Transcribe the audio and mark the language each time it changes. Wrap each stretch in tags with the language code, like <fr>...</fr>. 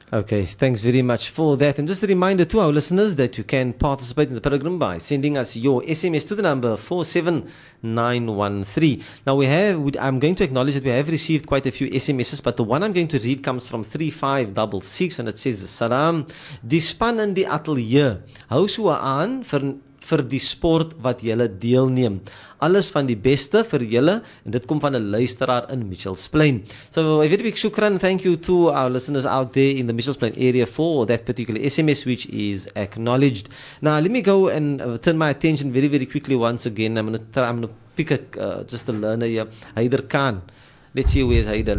<en>Okay, thanks very much for that. And just a reminder to our listeners that you can participate in the program by sending us your SMS to the number 47913. Now, I'm going to acknowledge that we have received quite a few SMSs, but the one I'm going to read comes from 3566, and it says, Salam,</en> <af>die span in die atelier, hou so aan vir die sport wat julle deelneem. Alles van die beste vir julle, en dit kom van 'n luisteraar in Mitchells Plain.</af> <en>So, a very big shukran, thank you to our listeners out there in the Mitchells Plain area for that particular SMS, which is acknowledged. Now, let me go and turn my attention very, very quickly once again. I'm going to pick just a learner here, Haider Khan. Let's see, where's Haider?</en>